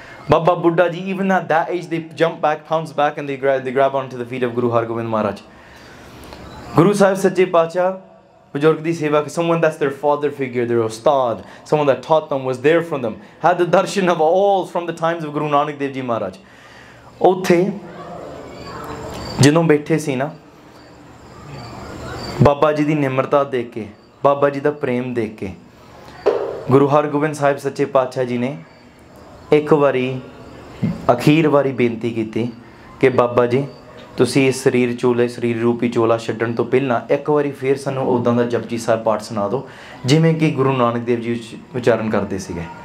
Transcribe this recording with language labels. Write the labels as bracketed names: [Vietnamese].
[English] Baba Buddha ji even at that age they jump back, bounce back and they grab on to the feet of Guru Hargobind Maharaj. [Punjabi] ਗੁਰੂ ਸਾਹਿਬ ਸੱਚੇ ਪਾਤਸ਼ਾਹ ਬਜ਼ੁਰਗ ਦੀ ਸੇਵਾ, [English] someone that's their father figure, their ustad, someone that taught them, was there from them, had the darshan of all from the times of Guru Nanak Dev Ji Maharaj. [Punjabi] ਉੱਥੇ ਜਦੋਂ ਬੈਠੇ ਸੀ ਨਾ, ਬਾਬਾ ਜੀ ਦੀ ਨਿਮਰਤਾ ਦੇਖ ਕੇ, ਬਾਬਾ ਜੀ ਦਾ ਪ੍ਰੇਮ ਦੇਖ ਕੇ, ਗੁਰੂ ਹਰਗੋਬਿੰਦ ਸਾਹਿਬ ਸੱਚੇ ਪਾਤਸ਼ਾਹ ਜੀ ਨੇ ਇੱਕ ਵਾਰੀ ਅਖੀਰ ਵਾਰੀ ਬੇਨਤੀ ਕੀਤੀ ਕਿ ਬਾਬਾ ਜੀ ਤੁਸੀਂ ਇਸ ਸਰੀਰ ਚੋਲੇ ਸਰੀਰ ਰੂਪੀ ਚੋਲਾ ਛੱਡਣ ਤੋਂ ਪਹਿਲਾਂ ਇੱਕ ਵਾਰੀ ਫਿਰ ਸਾਨੂੰ ਉਦਾਂ ਦਾ ਜਪਜੀ ਸਾਹਿਬ ਪਾਠ ਸੁਣਾ ਦਿਓ ਜਿਵੇਂ ਕਿ ਗੁਰੂ ਨਾਨਕ ਦੇਵ ਜੀ ਉਚਾਰਨ ਕਰਦੇ ਸੀਗੇ.